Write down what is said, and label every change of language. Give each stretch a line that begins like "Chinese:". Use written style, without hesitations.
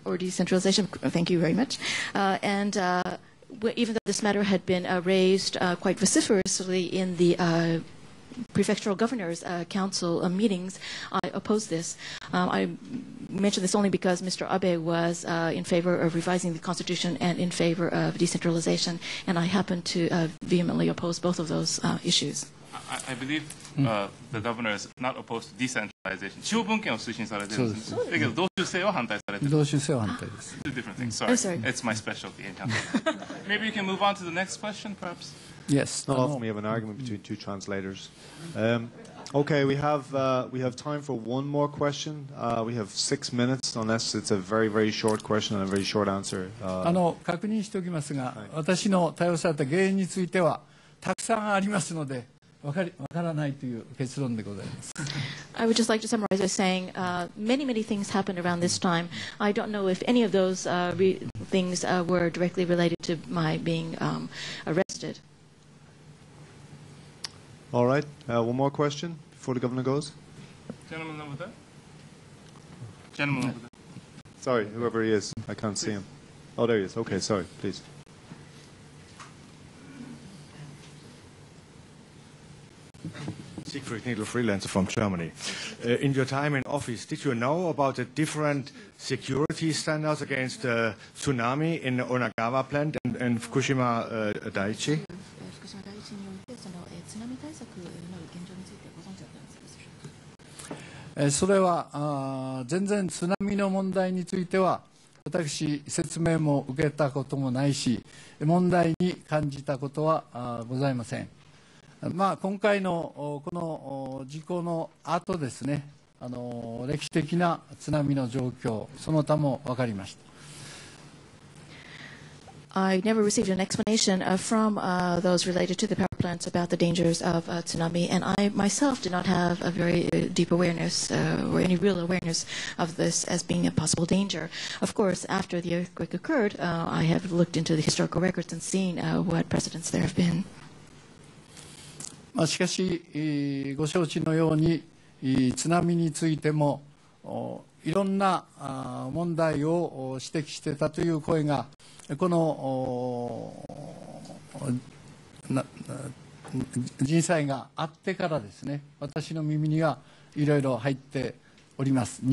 English: or decentralization, thank you very much. And even though this matter had been raised quite vociferously in the prefectural governor's council meetings, I opposed this. I mentioned this only because Mr. Abe was in favor of revising the constitution and in favor of decentralization, and I happened to vehemently oppose both of those issues. I believe the governor is not opposed to decentralization.
Japanese: 地方分権を推進されてるんですね。だけど同州制は反対されてる。同州制は反対です。
English: Two different things. Sorry. Sorry. It's my specialty. Maybe you can move on to the next question, perhaps? Yes. No. We have an argument between two translators. Okay, we have time for one more question. We have six minutes, unless it's a very, very short question and a very short answer.
Japanese: 確認しておきますが、私の対応された原因についてはたくさんありますので、分からないという結論でございます。
English: I would just like to summarize by saying many, many things happened around this time. I don't know if any of those things were directly related to my being arrested. All right. One more question before the governor goes. Gentleman over there. Gentleman over there. Sorry, whoever he is, I can't see him. Oh, there he is. Okay, sorry, please. Siegfried Needle, freelancer from Germany. In your time in office, did you know about the different security standards against tsunami in Onagawa plant and Fukushima Daiichi?
Japanese: 震においてその津波対策の現状についてご存知だったんですでしょうか。それは全然津波の問題については私説明も受けたこともないし問題に感じたことはございません。まあ、今回のこの事故の後ですね、歴史的な津波の状況その他も分かりました。
English: I never received an explanation from those related to the power plants about the dangers of tsunami and I myself did not have a very deep awareness or any real awareness of this as being a possible danger. Of course after the earthquake occurred I have looked into the historical records and seen what precedents there have been.
Japanese: まあ、しかし、ご承知のように津波についてもいろんな問題を指摘してたという声がこの人災があってからですね私の耳にはいろいろ入っております。